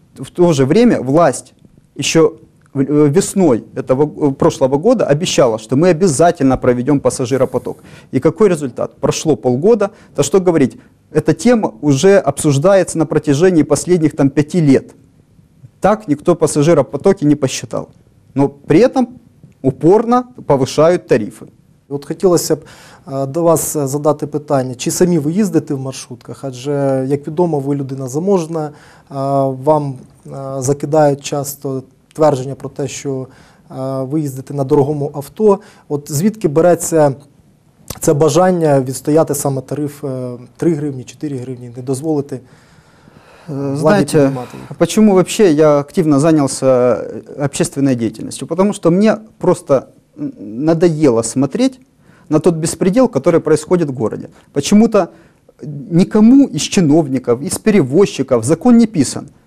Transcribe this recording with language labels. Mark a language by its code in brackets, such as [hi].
[ru] В то же время власть еще весной этого прошлого года обещала, что мы обязательно проведем пассажиропоток. И какой результат? Прошло полгода. Да что говорить, эта тема уже обсуждается на протяжении последних там 5 лет. Так никто пассажиропотоки не посчитал. Но при этом упорно повышают тарифы. [uk] От хотілося б до вас задати питання, чи самі ви їздите в маршрутках? Адже, як відомо, ви людина заможна, вам закидають часто твердження про те, що ви їздите на дорогому авто. От звідки береться це бажання відстояти саме тариф 3 гривні, 4 гривні, не дозволити владі піднімати їх? [ru] Почему вообще я активно занялся общественной деятельностью? Потому что мне просто надоело смотреть на тот беспредел, который происходит в городе. Почему-то никому из чиновников, из перевозчиков закон не писан.